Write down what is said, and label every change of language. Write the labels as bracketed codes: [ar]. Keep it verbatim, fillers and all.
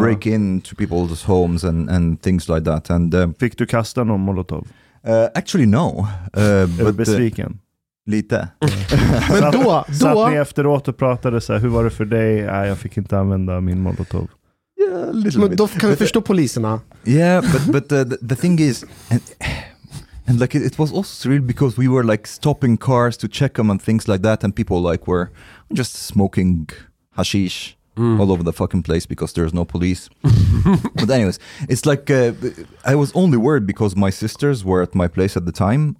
[en] break into people's homes and, and things like that. And, uh, [sv] fick du kasta någon Molotov? [en] Uh, actually, no. Uh, [sv] är du besviken? Uh, Lite. Men då, då... Satt ni efteråt och pratade så här, hur var det för dig? Nej, äh, jag fick inte använda min molotov. [en] Yeah, little [sv] Men [en] bit. [sv] Då kan vi förstå poliserna. [en] Yeah, but, but uh, the, the thing is... And, and like it, it was also surreal because we were like stopping cars to check them and things like that. And people like were just smoking hashish mm. all over the fucking place because there's no police. But anyways, it's like uh, I was only worried because my sisters were at my place at the time.